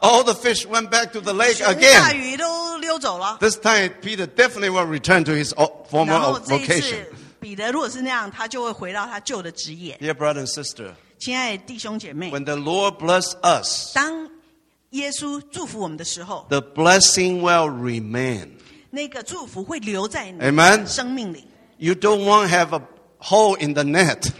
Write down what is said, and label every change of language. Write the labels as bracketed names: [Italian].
[English] All the fish went back to the lake again. [Chinese] 全大鱼都溜走了。 [English] This time Peter definitely will return to his former vocation. [Chinese] 彼得如果是那样, 他就会回到他旧的职业。 [English] Dear brother and sister, [Chinese] 亲爱的弟兄姐妹, [English] when the Lord bless us, [Chinese] 当耶稣祝福我们的时候, [English] the blessing will remain. [Chinese] 那个祝福会留在你的生命里。 [English] Amen? You don't want to have a hole in the net.